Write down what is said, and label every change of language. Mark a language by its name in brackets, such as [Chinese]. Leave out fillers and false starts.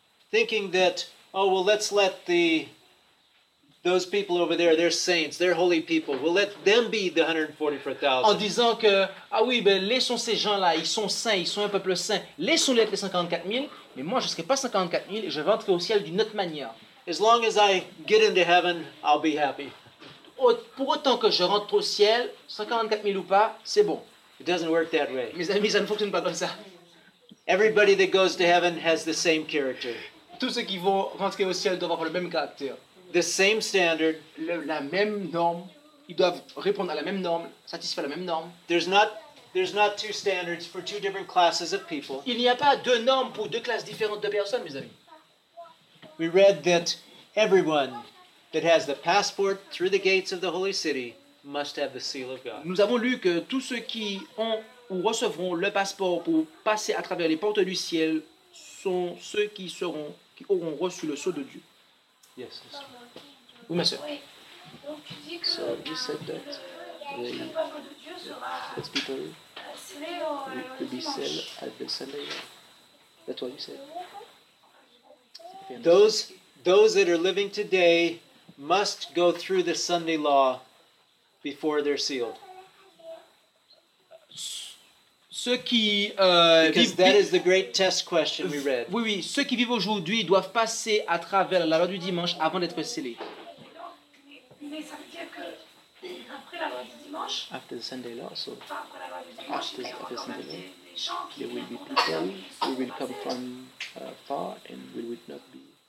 [English] Thinking that let's let those people over there, they're saints, they're holy people. We'll let them be the 144,000. [French] En disant que laissons ces gens-là, ils sont saints, ils sont un peuple saint. Laissons-les être les 54,000, mais moi je serai pas 54,000 et je vais entrer au ciel d'une autre manière. [English] As long as I get into heaven, I'll be happy. [French] Pour autant que je rentre au ciel, 54,000 ou pas, c'est bon. [English] It doesn't work that way. [French] Mes amis, ça ne fonctionne pas comme ça. [English] Everybody that goes to heaven has the same character. [French] Tous ceux qui vont rentrer au ciel doivent avoir le même caractère. [English] The same standard. [French] La même norme. Ils doivent répondre à la même norme, satisfaire la même norme. [English] There's not two standards for two different classes of people. [French] Il n'y a pas deux normes pour deux classes différentes de personnes, mes amis. [English] We read that everyone that has the passport through the gates of the holy city must have the seal of God. [French] Nous avons lu que tous ceux qui ont ou recevront le passeport pour passer à travers les portes du ciel sont ceux qui auront reçu le sceau de Dieu. [English] Yes, yes. [French] Oui, ma sœur. [English] So you said that the people will be sealed at the Sunday. That's what you said. Those that are living today must go through the Sunday law before they're sealed. [French] Ceux qui vivent, [English] that is the great test question we read. [French] Oui, ceux qui vivent aujourd'hui doivent passer à travers la loi du dimanche avant d'être scellés. Mais ça veut dire que après la loi du dimanche, [English] after the Sunday law, so after the Sunday law, there will be people who will come from far and we will not be.